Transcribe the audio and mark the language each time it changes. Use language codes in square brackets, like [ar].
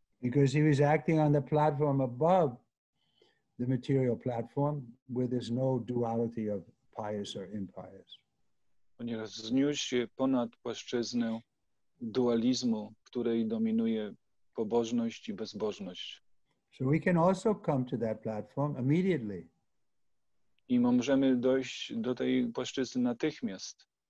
[en] Because he was acting on the platform above the material platform, where there's no duality of pious or impious. [pl] Ponieważ wzniósł się ponad płaszczyznę dualizmu, której dominuje pobożność i bezbożność. [en] So we can also come to that platform immediately. [pl] I możemy dojść do tej płaszczyzny natychmiast.